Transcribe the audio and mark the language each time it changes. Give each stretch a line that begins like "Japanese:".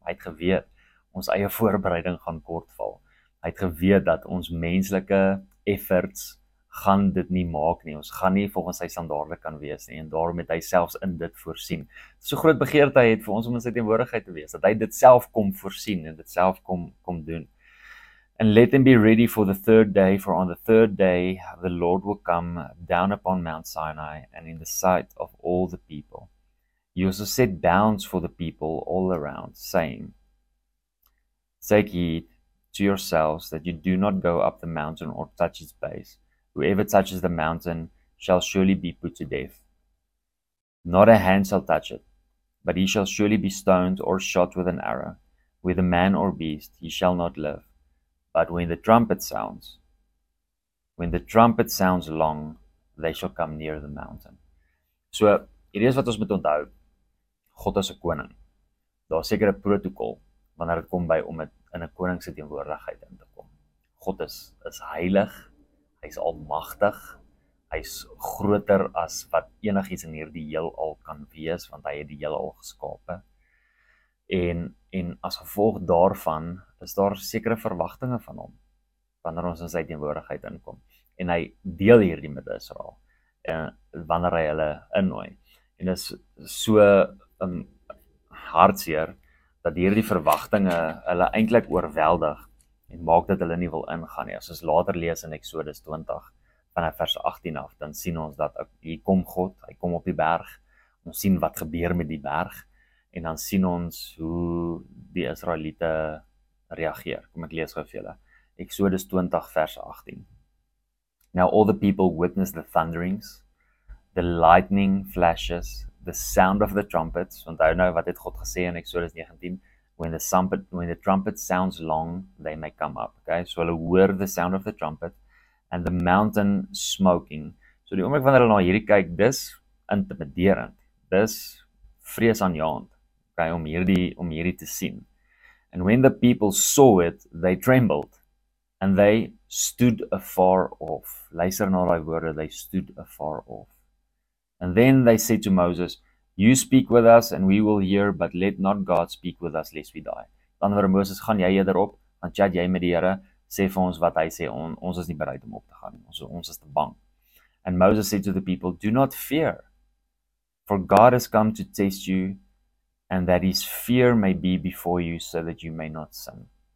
Afrikaans: Hy het geweet ons eie voorbereiding gaan kortval. Hy het geweet dat ons menslike efforts gaan dit nie maak nie. Ons gaan nie volgens sy standaarde kan wees nie. En daarom het hy selfs in dit voorsien. So groot begeerte hy het vir ons om in sy teenwoordigheid te wees. Dat hy dit self kom voorsien en dit self kom doen.
English: And let them be ready for the third day. For on the third day the Lord will come down upon Mount Sinai and in the sight of all the people. He also set bounds for the people all around, saying, take heed to yourselves that you do not go up the mountain or touch its base. Whoever touches the mountain shall surely be put to death. Not a hand shall touch it, but he shall surely be stoned or shot with an arrow. Whether man or beast, he shall not live. But when the trumpet sounds long, they shall come near the mountain.
Afrikaans: So, hierdie is wat ons moet onthou. God is 'n koning. Daar is seker 'n protokol wanneer dit kom by om in 'n koning se teenwoordigheid in te kom. God is heilig. Hy is almagtig, hy is groter as wat enigiets in hierdie heelal kan wees, want hy het die heelal geskape. En as gevolg daarvan is daar sekere verwagtinge van hom, wanneer ons in sy teenwoordigheid inkom. En hy deel hierdie met Israel, wanneer hy hulle innooi. En is so hartseer, dat hierdie verwagtinge hulle eintlik oorweldig, en maak dat hulle nie wil ingaan nie. As ons later lees in Exodus 20 vanaf vers 18 af, dan sien ons dat hier kom God, hy kom op die berg, ons sien wat gebeur met die berg, en dan sien ons hoe die Israeliete reageer. Kom ek lees gou vir julle. Exodus 20 vers 18.
English: Now all the people witnessed the thunderings, the lightning flashes, the sound of the trumpets,
Afrikaans: want hy nou wat het God gesê in Exodus 19,
English: When the trumpet sounds long, they may come up. Okay,
Afrikaans: so hulle hoor
English: the sound of the trumpet and the mountain smoking.
Afrikaans: So die oomblik wanneer hulle na hierdie kyk, dis intimiderend. Dis vreesaanjaend.
English: Okay,
Afrikaans: om hierdie te sien.
English: And when the people saw it, they trembled And they stood afar off.
Afrikaans: Luister na daai woorde,
English: they stood afar off. And then they said to Moses, you speak with us and we will hear, but let not God speak with us lest we die.
Afrikaans: Dan vir Moses, gaan jy eerder op, dan chat jy met die Here, sê vir ons wat hy sê, ons is nie bereid om op te gaan, ons is te bang.
English: And Moses said to the people, do not fear, for God has come to test you, and that his fear may be before you, so that you may not sin.